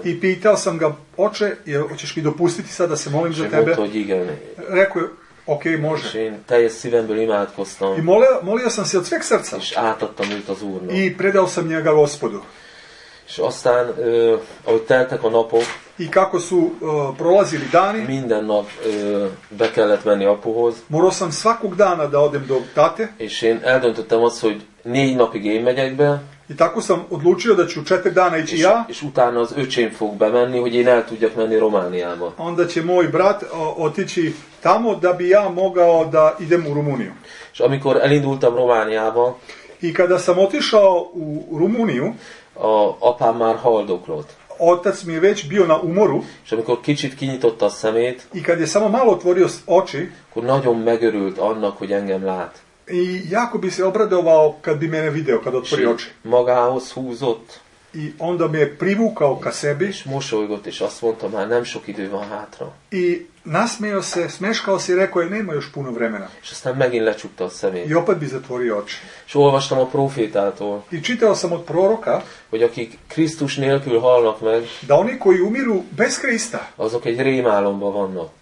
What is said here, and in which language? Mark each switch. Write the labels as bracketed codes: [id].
[sr] I pitao sam ga, oče, hoćeš mi dopustiti sad da se molim za tebe? [hu] És mondta, hogy igen. [sr] Rekao, ok, može. [hu] És én teljes szívemből imádkoztam. [sr] I molio sam se od sveg srca. [hu] És átadtam őt az Úrnak. [sr] I predao sam njega Gospodu. [hu] És aztán, ahogy teltek a napok, [sr] i kako su prolazili dani, [hu] minden nap be kellett menni apuhoz, [sr] morao sam svakog dana da odem do tate, [hu] és én eldöntöttem azt, hogy 4 napig én megyek be, [sr] i tako sam odlučio da ću 4 dana ići ja, [hu] és utána az öcsém fog bemenni, hogy én el tudjak menni Romániába. [sr] Onda će moj brat otići tamo da bi ja mogao da idem u Rumuniju. [hu] És amikor elindultam Romániába, [sr] i kada sam otišao u Rumuniju, [hu] a apám már haldoklott. [sr] Otac mi je već bio na umoru. [hu] És amikor kicsit kinyitotta a szemét. [sr] I kad je samo malo otvorio oči. [hu] Akkor nagyon megörült annak, hogy engem lát. [sr] I jako bi se obradovao kad bi mene video, kad otvori oči. [hu] Magához húzott. [sr] I onda mi je privukao ka sebi. [hu] És mosolygott, és azt mondta, már nem sok idő van hátra. [sr] I nasmejo se, smeškao se, rekao je, nema još puno vremena. [hu] És aztán megint lecsukta a szemét. [sr] I opet bi zatvorio oči. [hu] És olvastam a profétától. [sr] I čitao sam od proroka. [hu] Hogy akik Krisztus nélkül halnak meg. [sr] Da oni koji umiru bez Krista. [hu] Azok egy rémálomba vannak.